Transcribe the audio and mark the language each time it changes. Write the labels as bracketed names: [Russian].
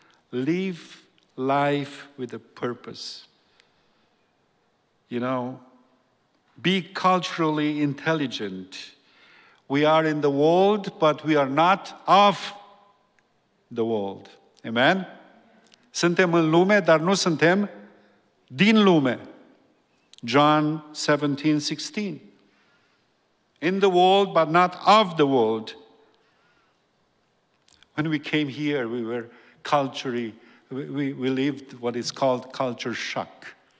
[English] Live life with a purpose. You know, be culturally intelligent. We are in the world, but we are not of the world. Amen? [Romanian] Suntem în lume, dar nu suntem din lume. [English] John 17, 16. In the world, but not of the world. When we came here, we were culturally, we lived what is called culture shock.